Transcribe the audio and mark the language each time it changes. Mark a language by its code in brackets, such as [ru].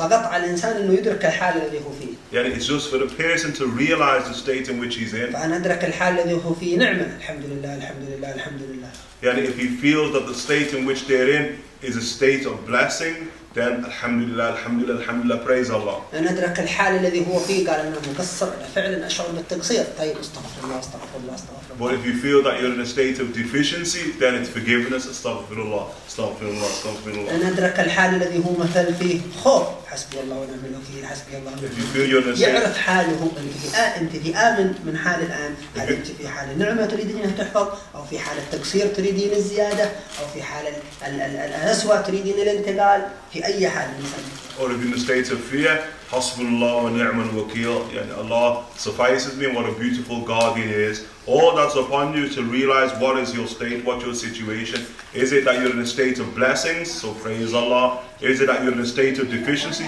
[en] It's just for the person to realize the state in which he's in. If he feels that the state in which they're in is a state of blessing, then [ar] alhamdulillah, alhamdulillah, alhamdulillah, [en] praise Allah. [ar] أنا أدرك الحال الذي هو فيه قال إنه مقصر فعلا أشعر بالتقصير طيب استغفر الله استغفر الله استغفر الله. [en] But if you feel that you're in a state of deficiency, then it's forgiveness. [ar] استغفر الله استغفر الله استغفر الله. أنا أدرك الحال الذي هو مثل فيه خوف حسبي الله ونعم الوكيل حسبي الله. [en] If you feel you're in a state. [ar] يعرف حاله أنت في آمن من حال الآن هل أنت في حال النعمة تريدين أن تحفظ أو في حال التقصير تريدين الزيادة أو في حال الأسوء تريدين الانتقال في أي حال مثلا. [en] Or if you're in a state of fear, [ar] Hasbunallah wa ni'man wakeel. [en] Allah suffices me, what a beautiful God he is. All that's upon you is to realize what is your state, what's your situation. Is it that you're in a state of blessings? So praise Allah. Is it that you're in a state of deficiency?